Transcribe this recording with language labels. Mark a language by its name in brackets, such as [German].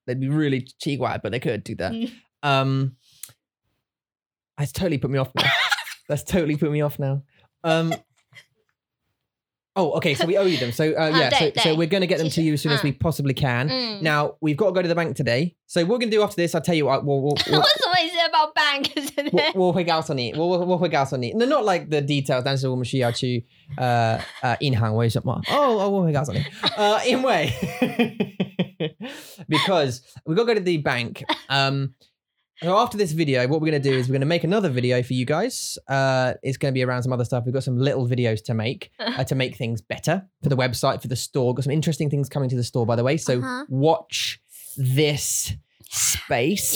[English] They'd be really chi-guai, but they could do that. That's totally put me off now. Okay, so we owe you them. So we're going to get them to you as soon as we possibly can. Now, we've got to go to the bank today. So we're going to do after this. I'll tell you what. What's the way you say about bank? We'll figure out on it. No, not like the details. [Chinese] 但是我们需要去 银行为什么? [English] Oh, we'll figure out on it. Because we've got to go to the bank. So after this video, what we're going to do is we're going to make another video for you guys. It's going to be around some other stuff. We've got some little videos to make to make things better for the website, for the store. Got some interesting things coming to the store, by the way. So watch this space.